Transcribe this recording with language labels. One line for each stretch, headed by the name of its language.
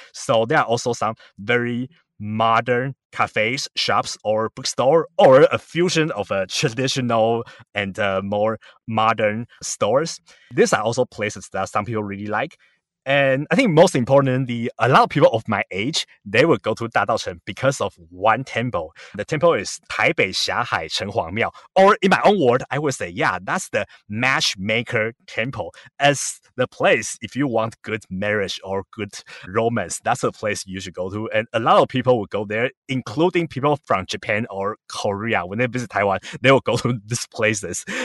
English: So there are also some very modern cafes, shops, or bookstore, or a fusion of a traditional and more modern stores. These are also places that some people really like. And I think most importantly, a lot of people of my age, they will go to
Chinese: 大稻埕
English: because of one temple. The temple is
Chinese: 台北霞海城隍廟.
English: Or in my own word, I would say, yeah, that's the matchmaker temple. As the place, if you want good marriage or good romance, that's the place you should go to. And a lot of people will go there, including people from Japan or Korea. When they visit Taiwan, they will go to these places.